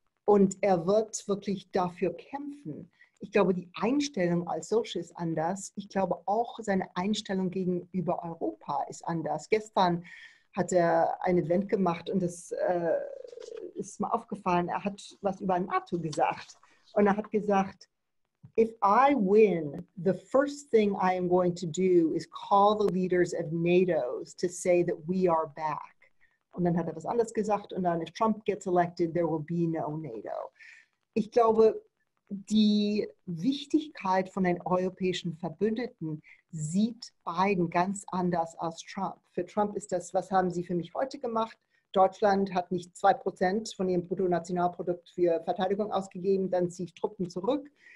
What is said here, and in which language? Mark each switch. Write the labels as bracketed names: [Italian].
[German] Und er wird wirklich dafür kämpfen. Ich glaube, die Einstellung als solche ist anders. Ich glaube, auch seine Einstellung gegenüber Europa ist anders. Gestern hat er ein Event gemacht und es ist mir aufgefallen, er hat was über NATO gesagt. Und er hat gesagt, [English] if I win, the first thing I am going to do is call the leaders of NATO to say that we are back. [German] Und dann hat er was anderes gesagt und dann, [English] if Trump gets elected, there will be no NATO. [German] Ich glaube, die Wichtigkeit von den europäischen Verbündeten sieht Biden ganz anders als Trump. Für Trump ist das, was haben Sie für mich heute gemacht? Deutschland hat nicht 2% von ihrem Bruttonationalprodukt für Verteidigung ausgegeben, dann ziehe ich Truppen zurück.